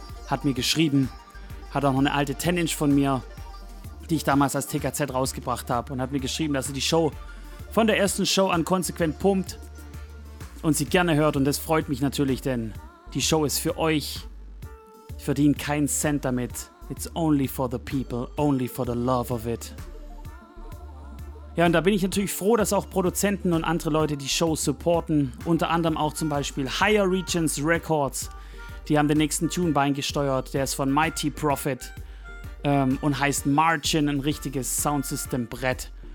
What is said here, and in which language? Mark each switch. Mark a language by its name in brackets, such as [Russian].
[German] Hat mir geschrieben, hat auch noch eine alte 10-Inch von mir, die ich damals als TKZ rausgebracht habe und hat mir geschrieben, dass sie die Show von der ersten Show an konsequent pumpt und sie gerne hört und das freut mich natürlich, denn die Show ist für euch. Ich verdiene keinen Cent damit. [English] It's only for the people, only for the love of it. [German] Ja, und da bin ich natürlich froh, dass auch Produzenten und andere Leute die Show supporten, unter anderem auch zum Beispiel Higher Regions Records. Die haben den nächsten Tune beigesteuert, der ist von Mighty Prophet und heißt Margin, ein richtiges Soundsystem-Brett.